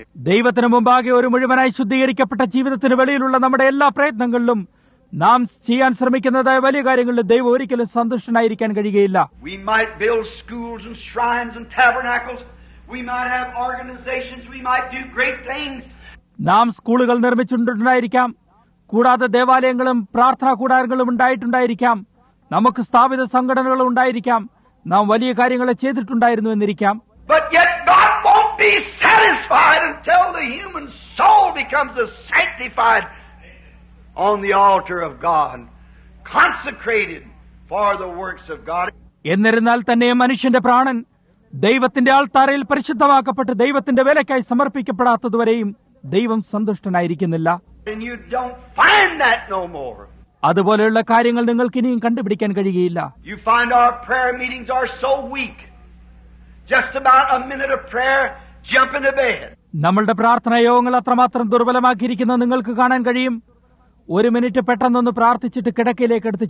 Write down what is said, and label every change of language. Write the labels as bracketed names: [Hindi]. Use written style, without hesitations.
[Malayalam] ദൈവത്തിന് മുമ്പാകെ ഒരു മുഴുവനായി ശുദ്ധീകരിക്കപ്പെട്ട ജീവിതത്തിന് വെളിയിലുള്ള നമ്മുടെ എല്ലാ പ്രയത്നങ്ങളിലും നാം ചെയ്യാൻ ശ്രമിക്കുന്നതായ വലിയ കാര്യങ്ങളിൽ ദൈവം ഒരിക്കലും സന്തുഷ്ടനായിരിക്കാൻ കഴിയുകയില്ല. [English] We might build schools and shrines and tabernacles. We might have organizations. We might do great things. [Malayalam] നാം സ്കൂളുകൾ നിർമ്മിച്ചിട്ടുണ്ടായിരിക്കാം, കൂടാതെ ദേവാലയങ്ങളും പ്രാർത്ഥനാ കൂടാരങ്ങളും ഉണ്ടായിട്ടുണ്ടായിരിക്കാം. നമുക്ക് സ്ഥാപിത സംഘടനകൾ ഉണ്ടായിരിക്കാം. നാം വലിയ കാര്യങ്ങളെ ചെയ്തിട്ടുണ്ടായിരുന്നു എന്നിരിക്കാം. [English] But yet God won't be satisfied until the human soul becomes a sanctified on the altar of God, consecrated for the works of God. [Malayalam] എന്നിരുന്നാൽ തന്നെ മനുഷ്യന്റെ പ്രാണൻ ദൈവത്തിന്റെ ആൾത്താരയിൽ പരിശുദ്ധമാക്കപ്പെട്ട് ദൈവത്തിന്റെ വേലയ്ക്കായി സമർപ്പിക്കപ്പെടാത്തതുവരെയും ദൈവം സന്തുഷ്ടനായിരിക്കുന്നില്ല. [English] And you don't find that no more. [Malayalam] അതുപോലെയുള്ള കാര്യങ്ങൾ നിങ്ങൾക്ക് ഇനിയും കണ്ടുപിടിക്കാൻ കഴിയുകയില്ല. [English] You find our prayer meetings are so weak. Just about a minute of prayer, jump into bed. [Malayalam] നമ്മളുടെ പ്രാർത്ഥനാ യോഗങ്ങൾ അത്രമാത്രം ദുർബലമാക്കിയിരിക്കുന്നു നിങ്ങൾക്ക് കാണാൻ കഴിയും. ഒരു മിനിറ്റ് പെട്ടെന്നൊന്ന് പ്രാർത്ഥിച്ചിട്ട് കിടക്കയിലേക്ക് എടുത്ത്